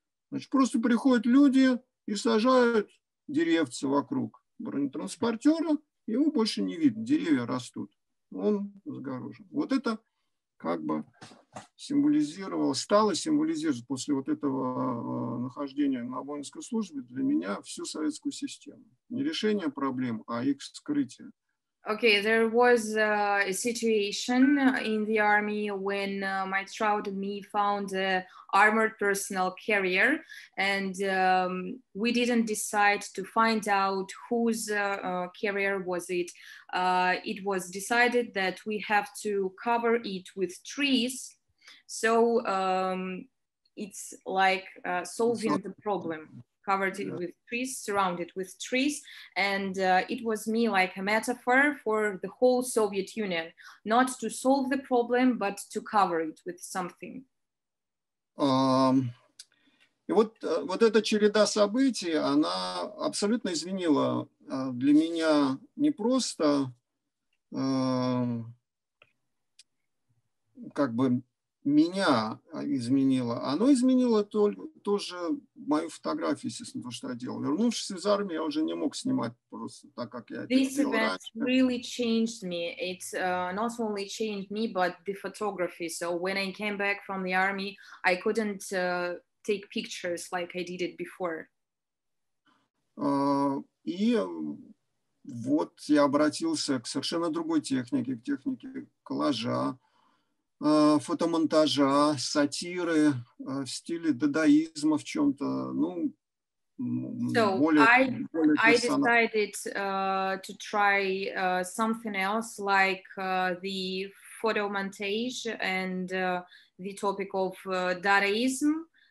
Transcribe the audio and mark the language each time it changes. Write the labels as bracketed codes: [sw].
[ru] Значит, просто приходят люди и сажают деревца вокруг бронетранспортера, его больше не видно, деревья растут, он загорожен. Вот это как бы символизировало, стало символизировать после вот этого нахождения на воинской службе для меня всю советскую систему. Не решение проблем, а их скрытие. [en] Okay, there was a situation in the army when my trout and me found an armored personnel carrier, and we didn't decide to find out whose carrier was it. It was decided that we have to cover it with trees, so it's like solving the problem. Covered it with trees, surrounded with trees, and it was me like a metaphor for the whole Soviet Union, not to solve the problem, but to cover it with something. [ru] И вот эта череда событий, она абсолютно изменила для меня не просто как бы меня изменило. Оно изменило тоже мою фотографию, естественно, то, что я делал. Вернувшись из армии, я уже не мог снимать просто так, как я [en] this [ru] это делал [en] event [ru] раньше. [en] Really changed me. It not only changed me, but the photography. So when I came back from the army, I couldn't take pictures like I did it before. [ru] И вот я обратился к совершенно другой технике, к технике коллажа, фотомонтажа, сатиры, в стиле дадаизма в чем-то, ну, [en] so I decided to try something else, like the photo montage and the topic of dadaism.